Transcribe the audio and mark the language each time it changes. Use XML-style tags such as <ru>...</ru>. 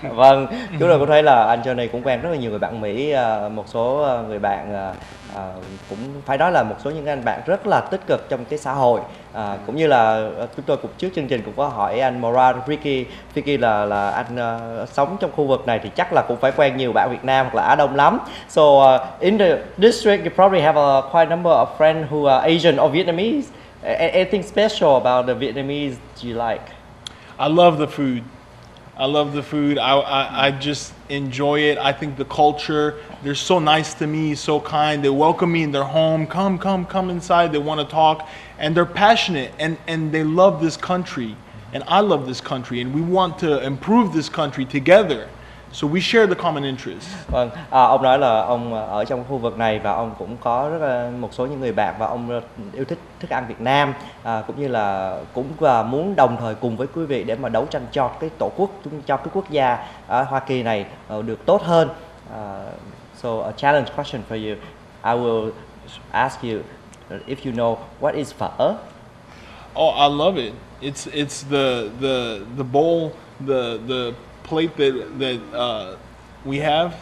<vi>Vâng, chúng tôi cũng thấy là anh Johnny cũng quen rất là nhiều người bạn Mỹ, một số người bạn cũng phải nói là một số những anh bạn rất là tích cực trong cái xã hội. Cũng như là chúng tôi cũng trước chương trình cũng có hỏi anh Moran, Ricky là anh sống trong khu vực này thì chắc là cũng phải quen nhiều bạn Việt Nam hoặc là Á Đông lắm.</vi> <en>So in the district you probably have quite a number of friends who are Asian or Vietnamese. Anything special about the Vietnamese do you like? I love the food. I love the food. I just enjoy it. I think the culture, they're so nice to me, so kind. They welcome me in their home. Come inside. They want to talk. And they're passionate. And they love this country. And I love this country. And we want to improve this country together. So we share the common interests.</en> <vi>Vâng, ông nói là ông ở trong khu vực này và ông cũng có rất là một số những người bạn và ông yêu thích thức ăn Việt Nam, cũng như là cũng muốn đồng thời cùng với quý vị để mà đấu tranh cho cái tổ quốc, cho cái quốc gia Hoa Kỳ này được tốt hơn.</vi> <en>So a challenge question for you. I will ask you if you know what is phở. Oh, I love it. It's the bowl, the plate that we have,</en>